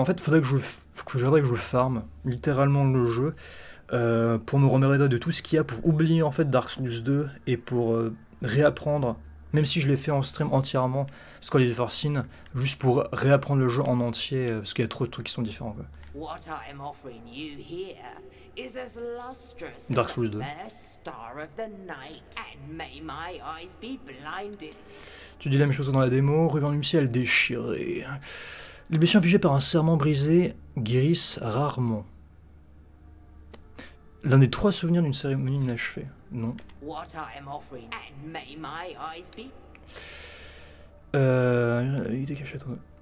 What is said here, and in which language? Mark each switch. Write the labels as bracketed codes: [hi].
[fr] En fait, faudrait que je farm littéralement le jeu pour me remettre de tout ce qu'il y a, pour oublier en fait Dark Souls 2 et pour réapprendre, même si je l'ai fait en stream entièrement, Scholar Diversine, juste pour réapprendre le jeu en entier parce qu'il y a trop de trucs qui sont différents. Quoi. [en] What I am offering you here is as lustrous as the first star of the night, and may my eyes be blinded. [fr] Tu dis la même chose dans la démo, ruban du ciel déchiré. Les blessures infligées par un serment brisé guérissent rarement. L'un des trois souvenirs d'une cérémonie inachevée. Non. [en] What I am offering, and may my eyes be... [fr] il était caché, attendez.